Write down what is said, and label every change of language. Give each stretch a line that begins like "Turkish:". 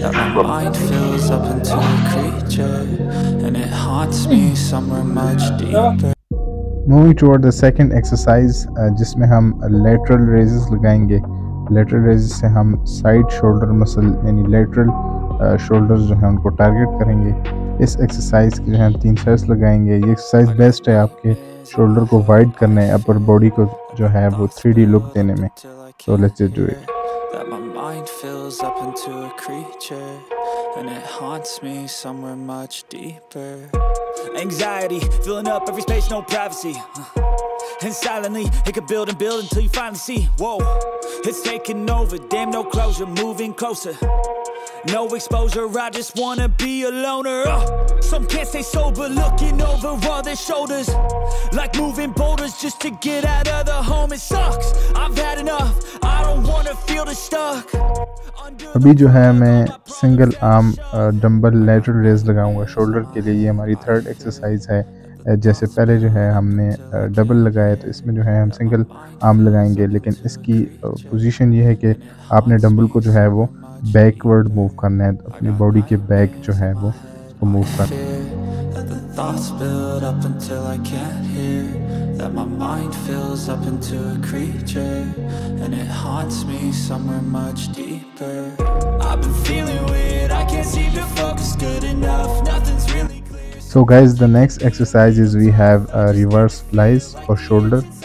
English: That my mind fills up into a creature, and it haunts me somewhere much deeper. Moving toward the second exercise,
Hindi: जिसमें हम
English: lateral raises
Hindi: लगाएंगे.
English: Lateral raises
Hindi: से हम
English: side shoulder muscle, यानी lateral shoulders
Hindi: जो हैं उनको
English: target
Hindi: करेंगे. इस exercise के जो हैं 3 sets लगाएंगे. ये exercise best है आपके shoulder को wide करने,
English: upper body
Hindi: को जो है वो
English: 3D look
Hindi: देने में.
English: So let's just do it. That my mind fills up into a creature, and it haunts me somewhere much deeper. Anxiety, filling up every space, no privacy. And silently, it could build and build until you finally see. Whoa, it's taking over, damn no closure, moving closer. No exposure, I just wanna be a loner. Some can't stay sober, looking over all their shoulders. Like moving boulders just to get out of the home. It sucks, I've had enough, I don't wanna feel the stuck.
Hindi: अभी जो है मैं single arm dumbbell lateral raise लगाऊंगा shoulder के लिए. ये हमारी third exercise है. जैसे पहले जो है हमने डबल लगाया तो इसमें जो है हम सिंगल आर्म लगाएंगे, लेकिन इसकी पोजीशन ये है कि आपने डंबल को जो है वो बैकवर्ड मूव करना है, अपनी बॉडी के बैक जो है वो उसको मूव करना है.
English: Thoughts build up until I can't hear. That my mind fills up into a creature, and it haunts me somewhere much deeper. I've been feeling weird, I can't seem to focus good enough. Nothing's really clear. So guys, the next exercise is we have a reverse flies for shoulder.